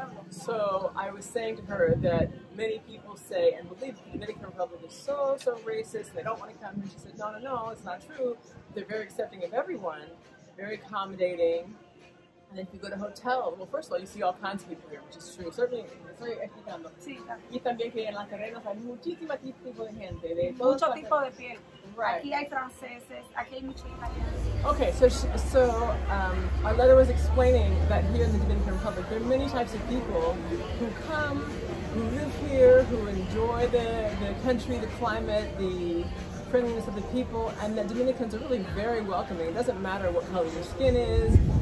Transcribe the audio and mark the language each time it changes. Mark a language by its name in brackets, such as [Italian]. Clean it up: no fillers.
[English] So I was saying to her that many people say and believe the Dominican Republic is so, so racist, they don't want to come here. She said, no, it's not true. They're very accepting of everyone, very accommodating. And if you go to a hotel, well, first of all, you see all kinds of people here, which is true. Certainly, [Spanish] estoy explicando. Sí, y también que en las arenas hay muchísimo tipo de gente. De mucho tipo de piel. [English] Right. [Spanish] Aquí hay franceses, aquí hay mucho italiano. [English] Okay, so our letter was explaining that here in the Dominican Republic, there are many types of people who come, who live here, who enjoy the country, the climate, the friendliness of the people, and that Dominicans are really very welcoming. It doesn't matter what color your skin is.